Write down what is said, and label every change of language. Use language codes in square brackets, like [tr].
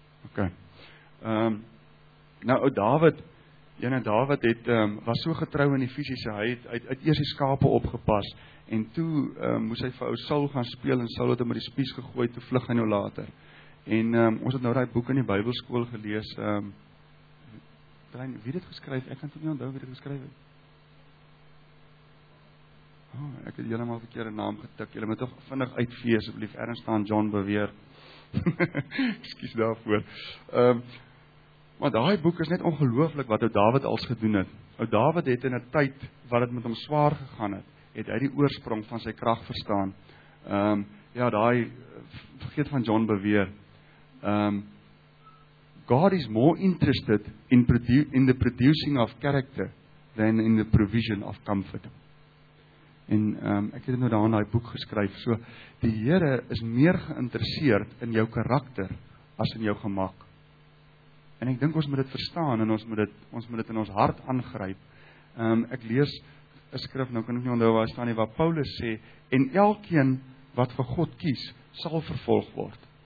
[af] Ok, nou ou David, ene David het, was so getrou in die fisiese, hy het eers die skape opgepas, en toe moes hy vir ou Saul gaan speel, en Saul het hom met die spies gegooi, toe vlug hy nou later. En ons het nou daai boek in die Bybelskool gelees, wie dit geskryf, ek kan toe nie onthou wie dit geskryf het. Oh, ek het helemaal verkeerde naam getik, julle moet toch vinnig uitvee, asseblief, ergens staan John Beweer, excuse daarvoor. Maar daai boek is net ongelooflik wat ou David als gedoen het. Ou David het in 'n tyd wat het met hom swaar gegaan het, het hy die oorsprong van sy krag verstaan. Daai vergeet van John Beweer. [en] God is more interested in the producing of character than in the provision of comfort. [af] En ek het nou daarin daai boek geskryf. So die Here is meer geïnteresseerd in jou karakter as in jou gemak. En ek dink ons moet dit verstaan en ons moet dit in ons hart aangryp. Ek lees 'n skrif, nou kan ek nie onthou waar staan nie, waar Paulus sê, en elkeen wat vir God kies, sal vervolg word.